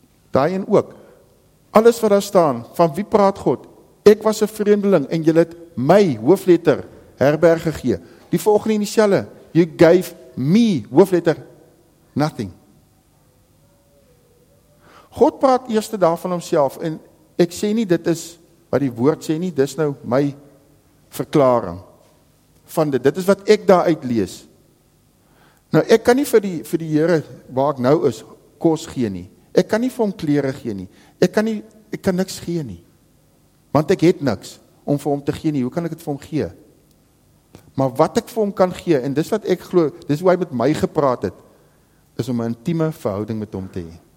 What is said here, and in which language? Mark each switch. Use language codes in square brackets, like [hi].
[af] Daai een ook. Alles wat daar staan, van wie praat God? Ek was 'n vreemdeling en jy het my hoofletter herberg gegee. Die volgende in dieselfde. [en] You gave me hoofletter nothing. [af] God praat eerste daar van homself en ek sê nie dit is wat die woord sê nie, dis nou my verklaring van dit. Dit is wat ek daar uit lees. Nou ek kan nie vir die Here waar ek nou is kos gee nie. Ek kan nie vir hom klere gee nie. Ek kan niks gee nie. Want ek het niks om vir hom te gee nie. Hoe kan ek dit vir hom gee? Maar wat ek vir hom kan gee, en dis wat ek glo, dis hoe hy met my gepraat het, is om 'n intieme verhouding met hom te hê.